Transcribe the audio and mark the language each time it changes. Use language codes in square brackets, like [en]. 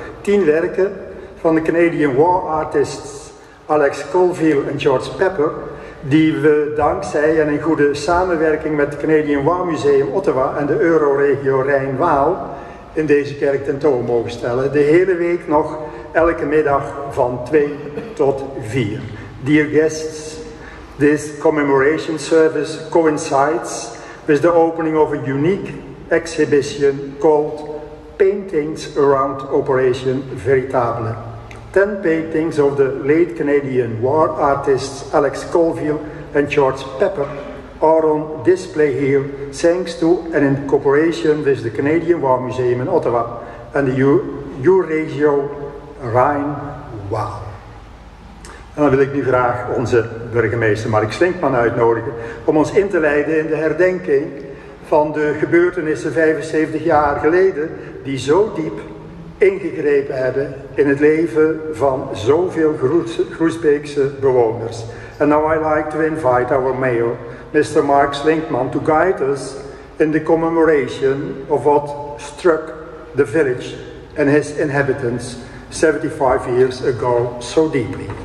[nl] 10 werken van de Canadian War Artists Alex Colville en George Pepper, die we dankzij en in goede samenwerking met het Canadian War Museum Ottawa en de Euroregio Rijn-Waal in deze kerk tentoon mogen stellen. De hele week nog, elke middag van 2 tot 4. [en] Dear guests, this commemoration service coincides with the opening of a unique exhibition called Paintings Around Operation Veritabele. 10 paintings of the late Canadian war artists Alex Colville and George Pepper are on display here thanks to and in cooperation with the Canadian War Museum in Ottawa and the Euroregio Rijn-Waal. [nl] En dan wil ik nu graag onze burgemeester Mark Slinkman uitnodigen om ons in te leiden in de herdenking van de gebeurtenissen 75 jaar geleden die zo diep ingegrepen hebben in het leven van zoveel Groesbeekse bewoners. [en] And now I like to invite our mayor, Mr. Mark Slinkman, to guide us in the commemoration of what struck the village and his inhabitants 75 years ago so deeply.